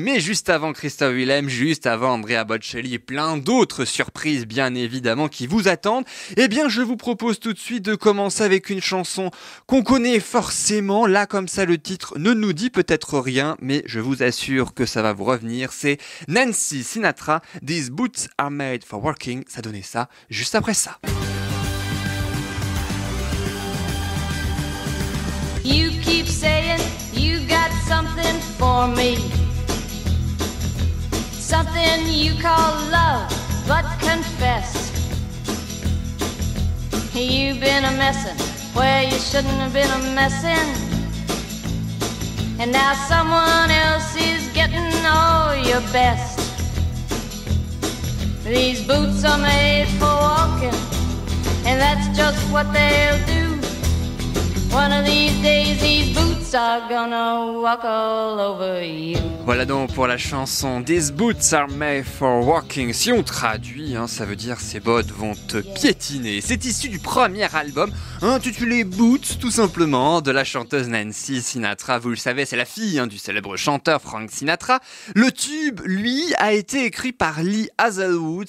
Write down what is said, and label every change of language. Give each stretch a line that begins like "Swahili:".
French: Mais juste avant Christophe Willem, juste avant Andrea Bocelli et plein d'autres surprises bien évidemment qui vous attendent, eh bien je vous propose tout de suite de commencer avec une chanson qu'on connaît forcément. Là comme ça le titre ne nous dit peut-être rien, mais je vous assure que ça va vous revenir. C'est Nancy Sinatra, These Boots Are Made For Walking. Ça donnait ça juste après ça.
English: You keep saying you got something for me, something you call love, but confess you've been a messin' where you shouldn't have been a messin', and now someone else is getting all your best. These boots are made for walking, and that's just what they'll do. One of these days these boots are gonna walk all over you.
French: Voilà donc pour la chanson These Boots Are Made For Walking. Si on traduit, hein, ça veut dire ces bottes vont te piétiner. C'est issu du premier album intitulé Boots, tout simplement, de la chanteuse Nancy Sinatra. Vous le savez, c'est la fille du célèbre chanteur Frank Sinatra. Le tube, lui, a été écrit par Lee Hazlewood.